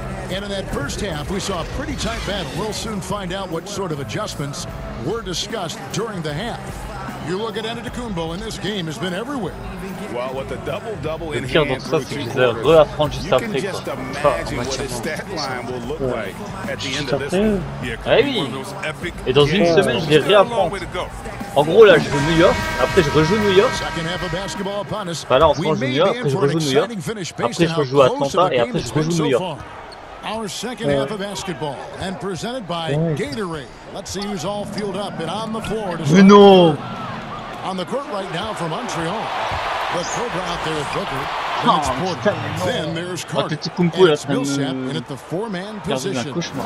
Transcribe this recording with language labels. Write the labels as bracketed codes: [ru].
[en] And in that first half, we saw a pretty tight battle. We'll soon find out what sort of adjustments were discussed during the half. You look at Antetokounmpo, and this game has been everywhere. Well, with the double-double in hand through two quarters, you can just imagine what his stat line will look like at the end of this one. [fr] Yeah, oui. Et dans une semaine, je vais réapprendre. En gros, là, je joue New York, après je rejoue New York. Enfin, là, en France, New York, après je rejoue New York. Après, je rejoue Atlanta, et après, je rejoue New York. [en] Our second half of basketball, and presented by Gatorade. Let's see who's all fueled up and on the floor. [fr] Mais non! [en] On the court right now for Montreal. The Cobra out there with Booker. Then there's Carter. And it's Millsap in at the four-man position.